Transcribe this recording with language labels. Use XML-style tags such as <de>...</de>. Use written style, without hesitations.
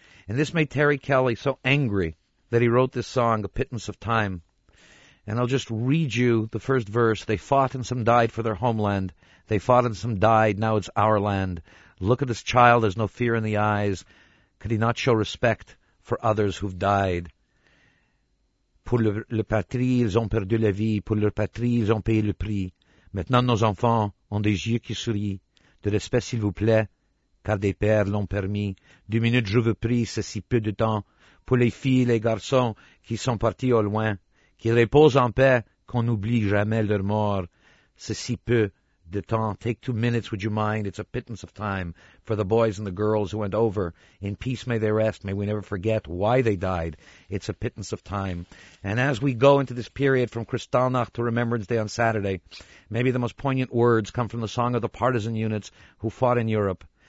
<en>And this made Terry Kelly so angry that he wrote this song, A Pittance of Time. And I'll just read you the first verse. They fought and some died for their homeland. They fought and some died. Now it's our land. Look at this child. There's no fear in the eyes. Could he not show respect for others who've died?</en> <fr>Pour leur patrie, ils ont perdu la vie. Pour leur patrie, ils ont payé le prix. Maintenant, nos enfants ont des yeux qui sourient. De respect, s'il vous plaît, car des pères l'ont permis. 2 minutes, je vous prie, c'est si peu de temps. Pour les filles, les garçons qui sont partis au loin, qu'ils reposent en paix, qu'on n'oublie jamais leur mort. C'est si peu de temps.</fr> <en>Take 2 minutes, would you mind? It's a pittance of time for the boys and the girls who went over. In peace may they rest. May we never forget why they died. It's a pittance of time. And as we go into this period from Kristallnacht to Remembrance Day on Saturday, maybe the most poignant words come from the song of the partisan units who fought in Europe.</en>